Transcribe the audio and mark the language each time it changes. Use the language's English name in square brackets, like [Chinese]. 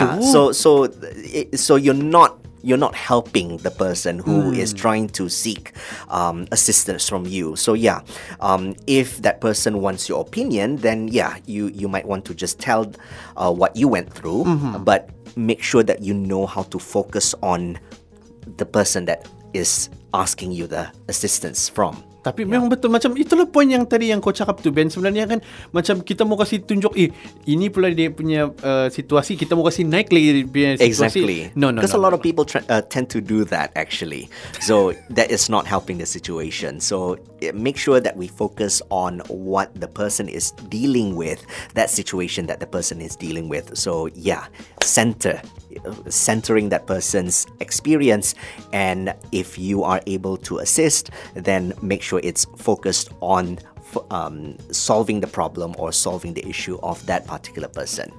[English] Yeah, so you're not helping the person who is trying to seek assistance from you. So yeah, if that person wants your opinion, then yeah, you might want to just tell what you went through, but make sure that you know how to focus on the person that is asking you the assistance from. [Malay] Tapi memang betul, macam itulah poin yang tadi yang kau cakap tu Ben, sebenarnya kan macam kita mau kasih tunjuk ini pula dia punya situasi, kita mau kasih naik lagi dia punya situasi. [English] Exactly. No, because a lot of people tend to do that actually. So that is not helping the situation. So make sure that we focus on what the person is dealing with, that situation that the person is dealing with. So yeah, centering that person's experience, and if you are able to assist, then make sure it's focused on solving the problem or solving the issue of that particular person.